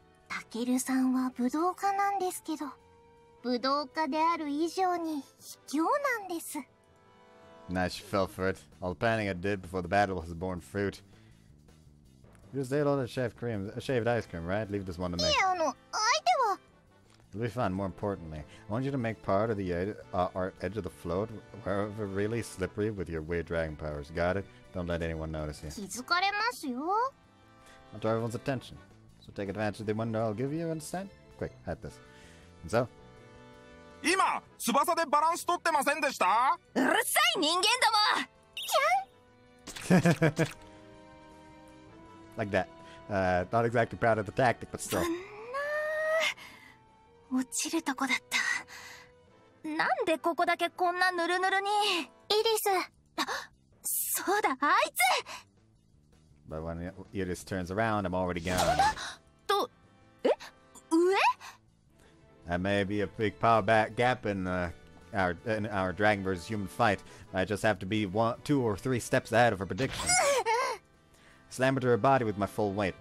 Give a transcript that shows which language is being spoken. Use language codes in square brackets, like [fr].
[ja] タケルさんは武道家なんですけど、武道家である以上に卑怯なんです。 [en] Nah, she fell for it. All the planning I did before the battle has borne fruit. You just ate all that shaved ice cream, right? Leave this one to me. [ja] いや、相手は。 [en] It'll be fun. More importantly, I want you to make part of the edge of the float wherever really slippery with your weird dragon powers. Got it? Don't let anyone notice you. [ja] 気づかれますよ。 [en] I'll draw everyone's attention. So take advantage of the window I'll give you, understand? Quick, hit this. And so? [ja] 今、翼でバランス取ってませんでした？うるさい人間ども！キャン！ [en] Like that. Not exactly proud of the tactic, but still. [ja] 落ちるとこだった。なんでここだけこんなヌルヌルに。イリス、そうだ、あいつ。 [en] But when Iris turns around, I'm already gone. [ja] と、え、上？ [en] That may be a big power back gap in our dragon versus human fight. I just have to be two or three steps ahead of her prediction. Slammed her body with my full weight.